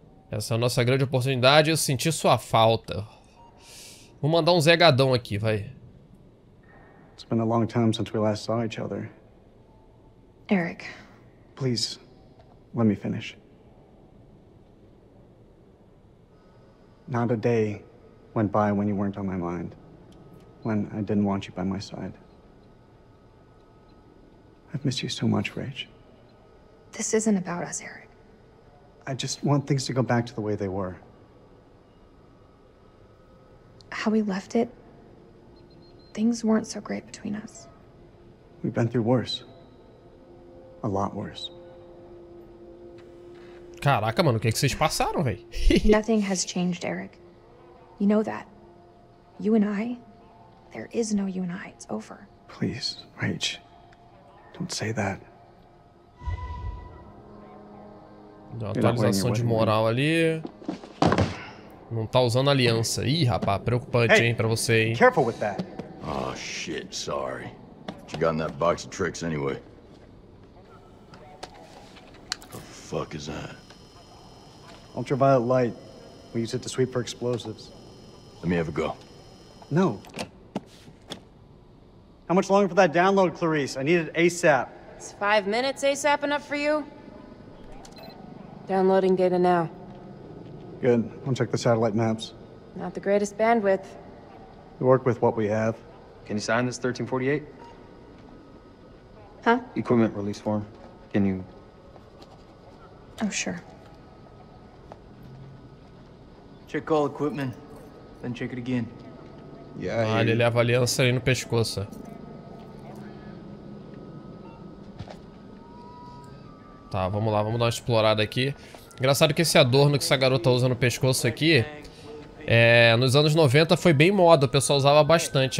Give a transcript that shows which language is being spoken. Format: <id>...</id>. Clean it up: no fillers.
<pt>Essa é a nossa grande oportunidade, eu senti sua falta. Vou mandar um zegadão aqui, vai.</pt> <en>It's been a long time since we last saw each other. Eric. Please, let me finish. Not a day went by when you weren't on my mind. When I didn't want you by my side. I've missed you so much, Rach. This isn't about us, Eric. I just want things to go back to the way they were. How we left it, things weren't so great between us. We've been through worse. A lot worse.</en> <pt>Caraca, mano, o que é que vocês passaram, velho?</pt> <en>Nothing has changed, Eric. You know that. You and I, there is no you and I. It's over. Please, Rach. Don't say that.</en> <pt>Deu uma atualização de moral ali. Não tá usando aliança. Ih, rapaz, preocupante, hein, pra você, hein.</pt> <en>Careful with that. Oh, shit, sorry. What you got in that box of tricks anyway? What the fuck is that? Ultraviolet light. We use it to sweep for explosives. Let me have a go. No. How much longer for that download, Clarice? I need it ASAP. Is 5 minutes ASAP enough for you? Downloading data now. Good. I'll check the satellite maps. Not the greatest bandwidth. We work with what we have. Can you sign this 1348? Huh? Equipment release form. Can you... Oh, sure. Check all equipment, then check it again. Yeah.</en> <pt>Ah, ele leva a aliança aí no pescoço. Tá, vamos lá, vamos dar uma explorada aqui. Engraçado que esse adorno que essa garota usa no pescoço aqui, é, nos anos 90 foi bem moda, o pessoal usava bastante.</pt>